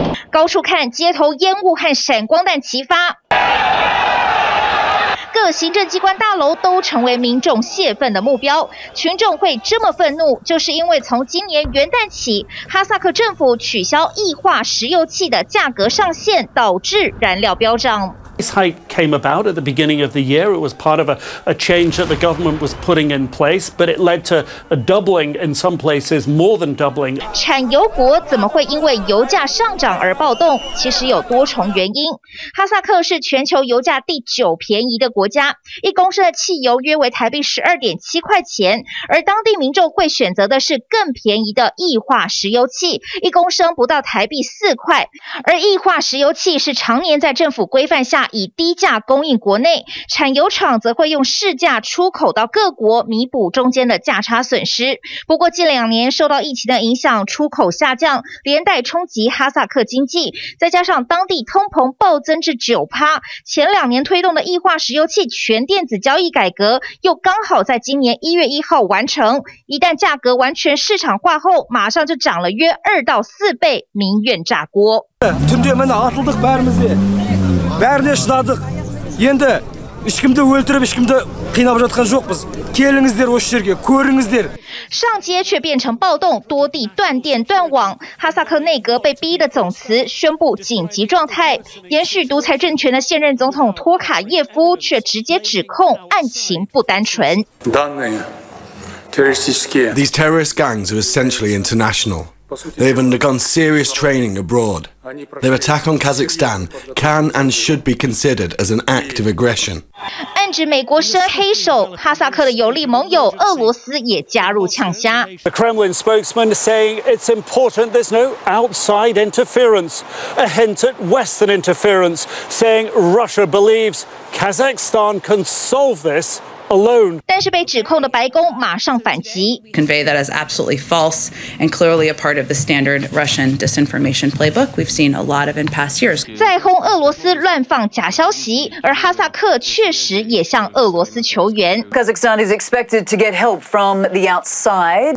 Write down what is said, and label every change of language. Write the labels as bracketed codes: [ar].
[zh] 高处看，街头烟雾和闪光弹齐发，各行政机关大楼都成为民众泄愤的目标。群众会这么愤怒，就是因为从今年元旦起，哈萨克政府取消液化石油气的价格上限，导致燃料飙涨。 [en] This hike came about at the beginning of the year. It was part of a change that the government was putting in place, but it led to a doubling in some places, more than doubling. [zh] 产油国怎么会因为油价上涨而暴动？其实有多重原因。哈萨克是全球油价第9便宜的国家，一公升的汽油约为台币12.7块钱，而当地民众会选择的是更便宜的液化石油气，一公升不到台币4块。而液化石油气是常年在政府规范下以低价供应国内，产油厂则会用市价出口到各国，弥补中间的价差损失。不过近两年受到疫情的影响，出口下降，连带冲击哈萨克经济，再加上当地通膨暴增至9%，前两年推动的液化石油气全电子交易改革又刚好在今年1月1号完成，一旦价格完全市场化后，马上就涨了约2到4倍，民怨炸锅。 [kk] Бәріне шыдадық, енді ешкімді өлтіріп, ешкімді қинап жатқан жоқпыз. Келіңіздер осы жерге, көріңіздер. [zh] 上街却变成暴动，多地断电断网，哈萨克内阁被逼的总辞，宣布紧急状态。延续独裁政权的现任总统托卡耶夫却直接指控案情不单纯。 [en] These terrorist gangs are essentially international. They've undergone serious training abroad. Their attack on Kazakhstan can and should be considered as an act of aggression. [zh] 暗指美国伸黑手，哈萨克的有力盟友俄罗斯也加入呛虾。 [en] The Kremlin spokesman saying it's important there's no outside interference, a hint at Western interference, saying Russia believes Kazakhstan can solve this. [zh] 但是被指控的白宫马上反击。 [en] Convey that as absolutely false and clearly a part of the standard Russian disinformation playbook we've seen a lot of in past years. [zh] 在轰俄罗斯乱放假消息，而哈萨克确实也向俄罗斯求援。 [en] Kazakhstan is expected to get help from the outside.